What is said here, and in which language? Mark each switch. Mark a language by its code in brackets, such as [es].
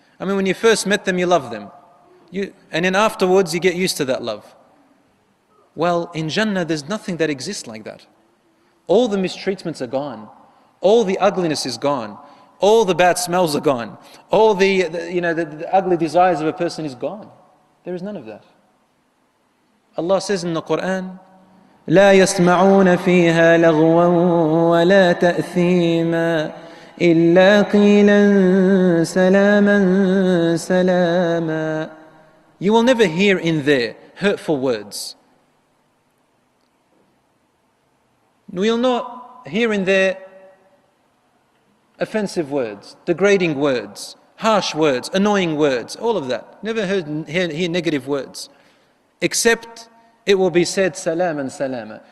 [en] I mean, when you first met them, you love them. And then afterwards, you get used to that love. Well, in Jannah, there's nothing that exists like that. All the mistreatments are gone. All the ugliness is gone. All the bad smells are gone. All the ugly desires of a person is gone. There is none of that. Allah says in the Quran, [ar] لا يسمعون فيها لغوا ولا تأثيما إلا قيلا سلاما سلاما. [en] You will never hear in there hurtful words. We will not hear in there offensive words, degrading words, harsh words, annoying words, all of that. Never hear negative words. Except it will be said salam and salama.